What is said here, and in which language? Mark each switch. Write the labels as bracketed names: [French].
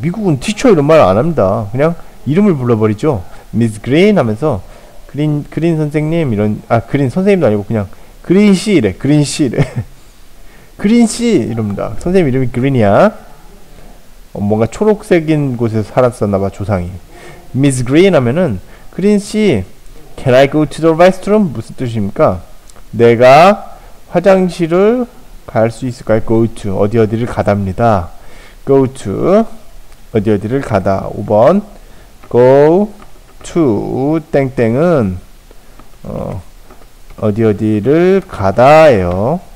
[Korean] 미국은 티처 이런 말안 합니다. 그냥 이름을 불러버리죠. 미즈 그린 하면서 그린 선생님 이런 그린 선생님도 아니고 그냥 그린 씨 이래 그린 씨 이래 그린 씨 이럽니다. 선생님 이름이 그린이야. 뭔가 초록색인 곳에서 살았었나 봐 조상이. 미스 그린 하면은 그린 씨 [English] Can I go to the restroom? [Korean] 무슨 뜻입니까? 내가 화장실을 갈수 있을까요? Go to 어디 어디를 가답니다. Go to 어디 어디를 가다. 5번 Go to 땡땡은 어디 어디를 가다예요.